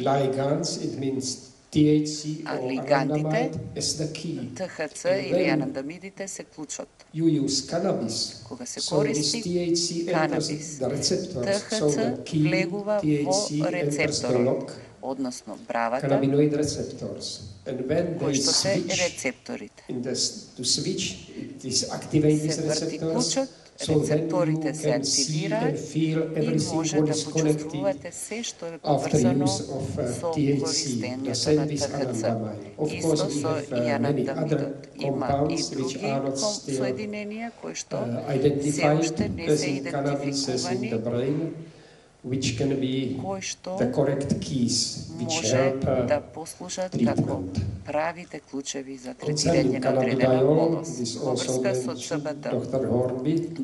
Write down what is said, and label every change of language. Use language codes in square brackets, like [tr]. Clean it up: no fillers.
[en] Ligands, it means THC or anandamide, is the key. [mk] THC или анандамидите се клучот. [en] You use cannabis, [mk] кога се користи [en] cannabis, [mk] THC влегува во рецепторот, односно бравата, [en] cannabinoid receptors. And when they switch, рецепторите. In the, to switch, this activates receptors. [mk] Рецепторите се активираат и може да почувствувате се што е поврзано со користењето на THC. Исто со и анандамидот. Има и други соединенија кои што се уште не се идентификувани, [en] which can be the correct keys which help [mk] да послужат како правите клучеви за третирање на дредена болост. Во врска со ЦБД, доктор Хорби